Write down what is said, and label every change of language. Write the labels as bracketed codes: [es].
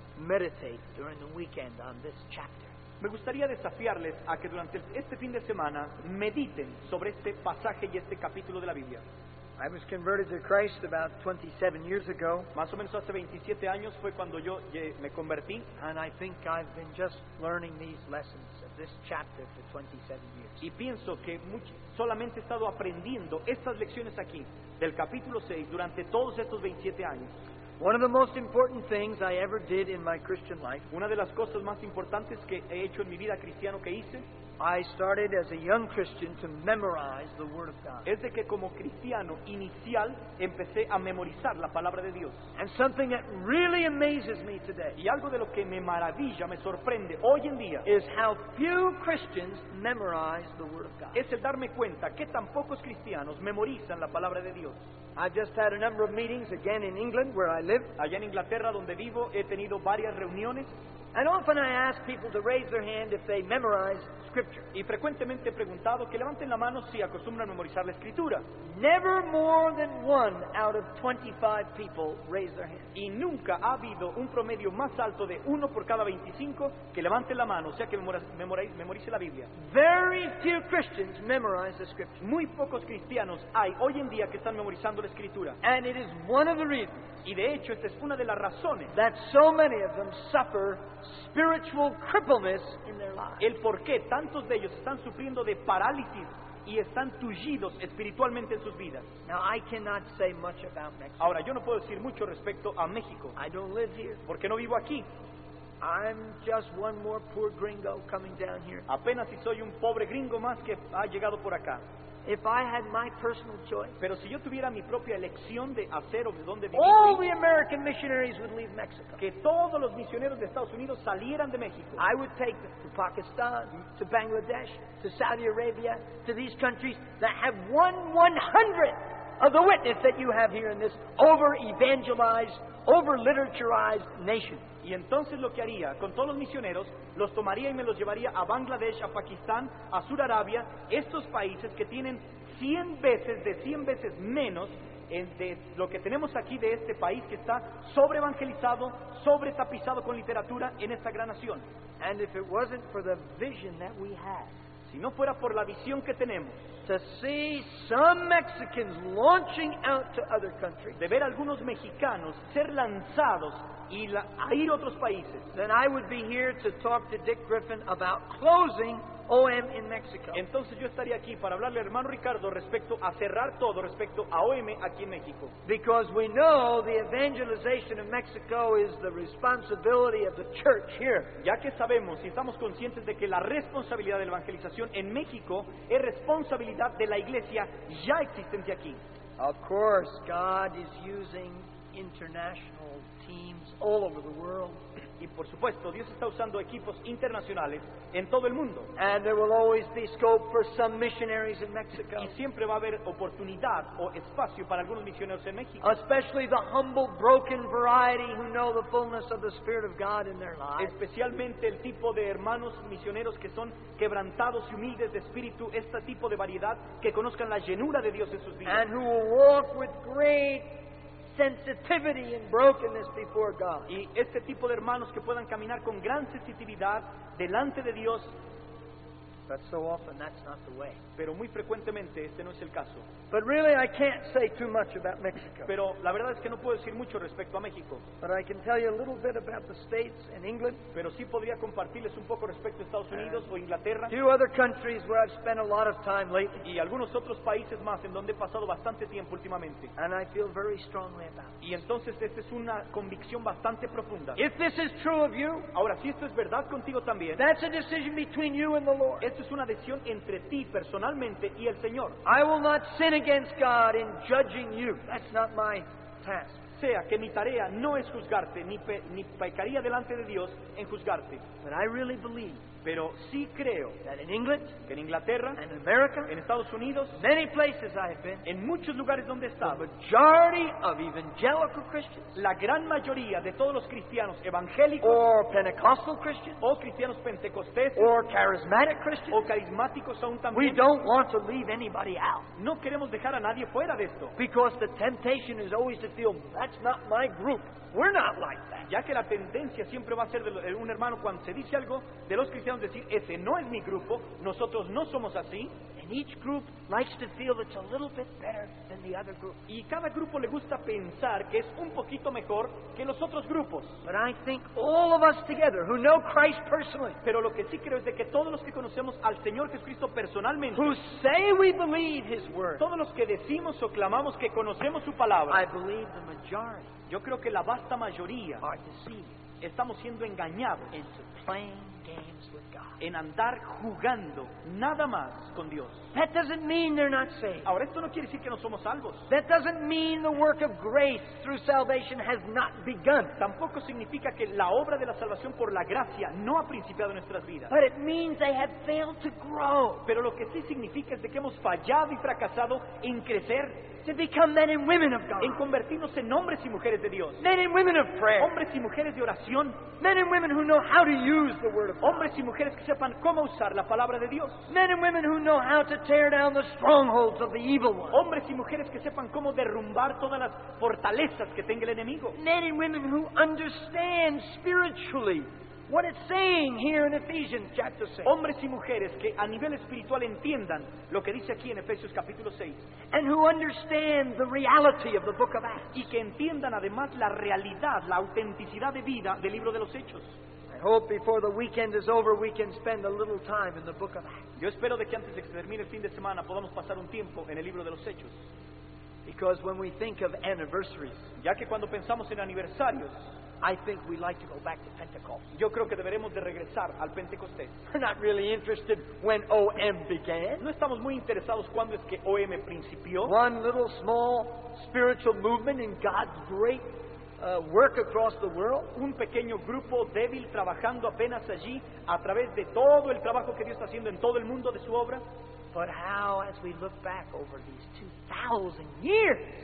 [es] Me gustaría desafiarles a que durante este fin de semana mediten sobre este pasaje y este capítulo de la Biblia. [en] I was converted to Christ about 27 years ago. [es] Más o menos hace 27 años fue cuando yo me convertí. [en] And I think I've been just learning these lessons of this chapter for 27 years. [es] Y pienso que solamente he estado aprendiendo estas lecciones aquí del capítulo 6 durante todos estos 27 años. [en] One of the most important things I ever did in my Christian life. [es] Una de las cosas más importantes que he hecho en mi vida cristiano que hice [en] I started as a young Christian to memorize the Word of God. [es] Es de que como cristiano inicial empecé a memorizar la palabra de Dios. [en] And something that really amazes me today. [es] Y algo de lo que me maravilla, me sorprende hoy en día, [en] is how few Christians memorize the Word of God. [es] Es el darme cuenta que tan pocos cristianos memorizan la palabra de Dios. [en] I've just had a number of meetings again in England where I live. [es] Allá en Inglaterra donde vivo he tenido varias reuniones. [en] And often I ask people to raise their hand if they memorize scripture. [es] Y frecuentemente he preguntado que levanten la mano si acostumbran memorizar la escritura. [en] Never more than one out of 25 people raise their hand. [es] Y nunca ha habido un promedio más alto de uno por cada 25 que levanten la mano, o sea que memorice la Biblia. [en] Very few Christians memorize the scripture. [es] Muy pocos cristianos hay hoy en día que están memorizando la escritura. [en] And it is one of the reasons. [es] Y de hecho, esta es una de las razones. [en] That so many of them suffer spiritual crippleness in their lives. [es] El por qué tantos de ellos están sufriendo de parálisis y están tullidos espiritualmente en sus vidas. [en] Now, I cannot say much about Mexico. [es] Ahora, yo no puedo decir mucho respecto a México. [en] I don't live here. [es] Porque no vivo aquí. [en] I'm just one more poor gringo coming down here. [es] Apenas si soy un pobre gringo más que ha llegado por acá. [en] If I had my personal choice, [es] pero si yo tuviera mi propia elección de hacer o de dónde vivir, [en] all the American missionaries would leave Mexico. [es] Que todos los misioneros de Estados Unidos salieran de México. [en] I would take them to Pakistan, to Bangladesh, to Saudi Arabia, to these countries that have 1/100 of the witness that you have here in this over-evangelized, over-literaturized nation. [es] Y entonces lo que haría con todos los misioneros, los tomaría y me los llevaría a Bangladesh, a Pakistán, a Sur Arabia, estos países que tienen 100 veces menos de lo que tenemos aquí de este país que está sobre evangelizado, sobre tapizado con literatura en esta gran nación. [en] And if it wasn't for the vision that we had, [es] si no fuera por la visión que tenemos, [en] to see some Mexicans launching out to other countries, [es] de ver algunos mexicanos ser lanzados a ir a otros países, [en] then I would be here to talk to Dick Griffin about closing OM in Mexico. [es] Entonces yo estaría aquí para hablarle al hermano Ricardo respecto a cerrar todo respecto a OM aquí en México. [en] Because we know the evangelization of Mexico is the responsibility of the church here. [es] Ya que sabemos y estamos conscientes de que la responsabilidad de la evangelización en México es responsabilidad de la iglesia ya existente aquí. [en] Of course, God is using international teams all over the world. [es] Y por supuesto, Dios está usando equipos internacionales en todo el mundo. [en] And there will always be scope for some missionaries in Mexico. [es] Y siempre va a haber oportunidad o espacio para algunos misioneros en México. [en] Especially the humble, broken variety who know the fullness of the Spirit of God in their lives. [es] Especialmente el tipo de hermanos misioneros que son quebrantados y humildes de espíritu, este tipo de variedad que conozcan la llenura de Dios en sus vidas. [en] And who will walk with great sensitivity and brokenness before God. [es] Y este tipo de hermanos que puedan caminar con gran sensibilidad delante de Dios. [en] But so often that's not the way. [es] Pero muy frecuentemente este no es el caso. [en] But really I can't say too much about Mexico. [es] Pero la verdad es que no puedo decir mucho respecto a México. [en] But I can tell you a little bit about the States and England. [es] Pero sí podría compartirles un poco respecto a Estados Unidos o Inglaterra. [en] Two other countries where I've spent a lot of time lately. [es] Y algunos otros países más en donde he pasado bastante tiempo últimamente. [en] And I feel very strongly about. [es] Y entonces esta es una convicción bastante profunda. [en] If this is true of you, [es] ahora si esto es verdad contigo también, [en] that's a decision between you and the Lord. [es] Es una decisión entre ti personalmente y el Señor. [en] I will not sin against God in judging you. That's not my task. [es] Sea que mi tarea no es juzgarte, ni pecaría delante de Dios en juzgarte. [en] But I really believe. [es] Pero sí creo [en] that in England, [es] que en Inglaterra, [en] and America, [es] en Estados Unidos, [en] many places I have been, [es] en muchos lugares donde he estado, [en] the majority of evangelical Christians, [es] la gran mayoría de todos los cristianos evangélicos, [en] or Pentecostal Christians, [es] o cristianos pentecosteses, [en] or charismatic Christians, [es] o carismáticos aún también, [en] we don't want to leave anybody out. [es] No queremos dejar a nadie fuera de esto. [en] Because the temptation is always to feel, that's not my group. We're not like that. [es] Ya que la tendencia siempre va a ser de un hermano cuando se dice algo de los cristianos decir ese no es mi grupo, nosotros no somos así. [en] And each group likes to feel it's a little bit better than the other group. [es] Y cada grupo le gusta pensar que es un poquito mejor que los otros grupos. [en] But I think all of us together who know Christ personally. [es] Pero lo que sí creo es de que todos los que conocemos al Señor Jesucristo personalmente. [en] Who say we believe His word. [es] Todos los que decimos o clamamos que conocemos su palabra. [en] I believe the majority. [es] Yo creo que la vasta mayoría [en] are deceived. [es] Estamos siendo engañados. [en] Into playing games with God. [es] En andar jugando nada más con Dios. [en] That doesn't mean they're not saved. [es] Ahora, esto no quiere decir que no somos salvos. [en] That doesn't mean the work of grace through salvation has not begun. [es] Tampoco significa que la obra de la salvación por la gracia no ha principiado en nuestras vidas. [en] But it means they have failed to grow. [es] Pero lo que sí significa es de que hemos fallado y fracasado en crecer. [en] To become men and women of God. [es] En convertirnos en hombres y mujeres de Dios. [en] Men and women of prayer. [es] Hombres y mujeres de oración. [en] Men and women who know how to use the word of God. [es] Hombres y mujeres que sepan cómo usar la palabra de Dios. [en] Men and women who know how to tear down the strongholds of the evil one. [es] Hombres y mujeres que sepan cómo derrumbar todas las fortalezas que tenga el enemigo. [en] Men and women who understand spiritually what it's saying here in Ephesians chapter 6. [es] Hombres y mujeres que a nivel espiritual entiendan lo que dice aquí en Efesios capítulo 6. [en] And who understand the reality of the book of Acts. [es] Y que entiendan además la realidad, la autenticidad de vida del libro de los Hechos. [en] I hope before the weekend is over we can spend a little time in the book of Acts. [es] Yo espero de que antes de que termine el fin de semana podamos pasar un tiempo en el libro de los Hechos. [en] Because when we think of anniversaries, [es] ya que cuando pensamos en aniversarios, [en] I think we like to go back to Pentecost. [es] Yo creo que deberemos de regresar al Pentecostés. [en] We're not really interested when OM began. [es] No estamos muy interesados cuando es que OM principió. [en] One little small spiritual movement in God's great work across the world. [es] Un pequeño grupo débil trabajando apenas allí a través de todo el trabajo que Dios está haciendo en todo el mundo de su obra. [en] But how, as we look back over these 2,000 years,